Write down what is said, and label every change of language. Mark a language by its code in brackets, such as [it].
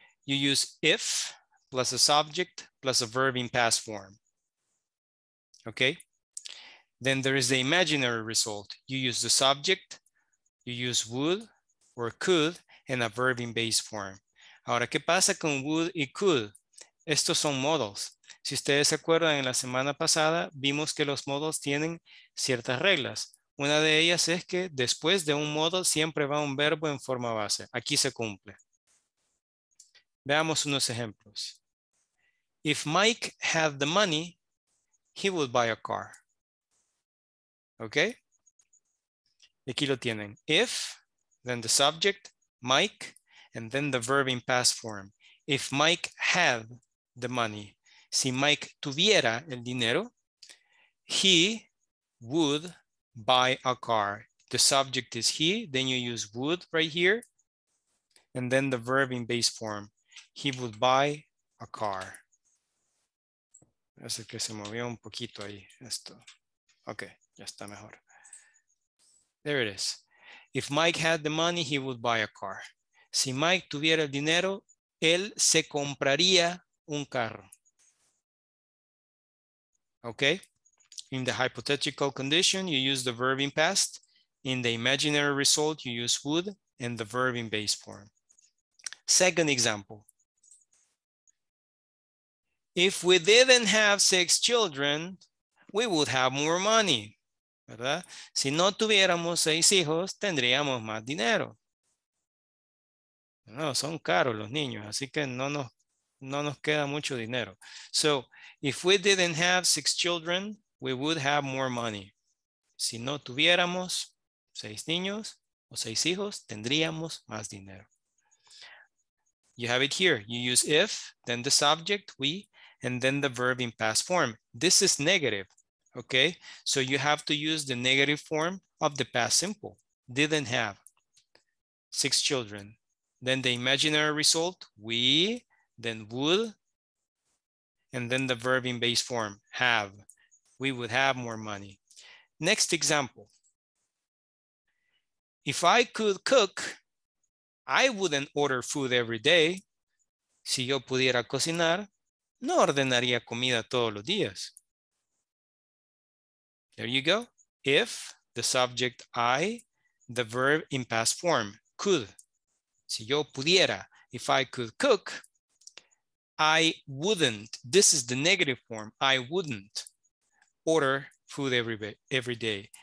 [en] You use if plus a subject plus a verb in past form. Okay? Then there is the imaginary result. You use the subject, you use would or could in a verb in base form. [es] Ahora, ¿qué pasa con would y could? Estos son models. Si ustedes se acuerdan, en la semana pasada vimos que los models tienen ciertas reglas. Una de ellas es que después de un model siempre va un verbo en forma base. Aquí se cumple. Veamos unos ejemplos. [en] If Mike had the money, he would buy a car. [es] ¿Ok? Aquí lo tienen. [en] If, then the subject, Mike, and then the verb in past form. If Mike had the money. [es] Si Mike tuviera el dinero, [en] he would buy a car. The subject is he, then you use would right here, and then the verb in base form. He would buy a car. [es] Parece que se movió un poquito ahí esto. Ok, ya está mejor. [en] There it is. If Mike had the money, he would buy a car. [es] Si Mike tuviera el dinero, él se compraría un carro. [en] Ok. In the hypothetical condition, you use the verb in past. In the imaginary result, you use would and the verb in base form. Second example. If we didn't have six children, we would have more money, [es] ¿verdad? Si no tuviéramos seis hijos, tendríamos más dinero. No, son caros los niños, así que no nos queda mucho dinero. [en] So, if we didn't have six children, we would have more money. [es] Si no tuviéramos seis niños o seis hijos, tendríamos más dinero. [en] You have it here. You use if, then the subject, we, and then the verb in past form. This is negative, okay? So you have to use the negative form of the past simple. Didn't have six children. Then the imaginary result, we, then would, and then the verb in base form, have. We would have more money. Next example. If I could cook, I wouldn't order food every day. [es] Si yo pudiera cocinar, no ordenaría comida todos los días. [en] There you go. If, the subject I, the verb in past form, could. [es] Si yo pudiera, [en] if I could cook, I wouldn't, this is the negative form, I wouldn't order food every day.